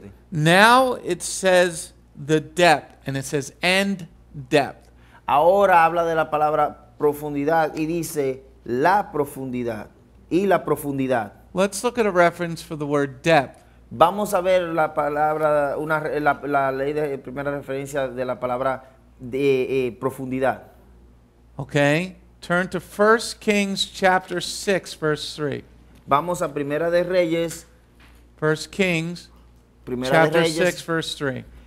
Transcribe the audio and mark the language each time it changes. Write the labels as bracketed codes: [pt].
[en] Now it says the depth, and it says end depth. [es] Ahora habla de la palabra profundidad, y dice la profundidad, y la profundidad. [en] Let's look at a reference for the word depth. [es] Vamos a ver la palabra, la ley de primera referencia de la palabra de profundidad. [en] Okay, turn to 1 Kings chapter 6, verse 3. [es] Vamos a Primera de Reyes. [en] 1 Kings chapter 6, verse 3.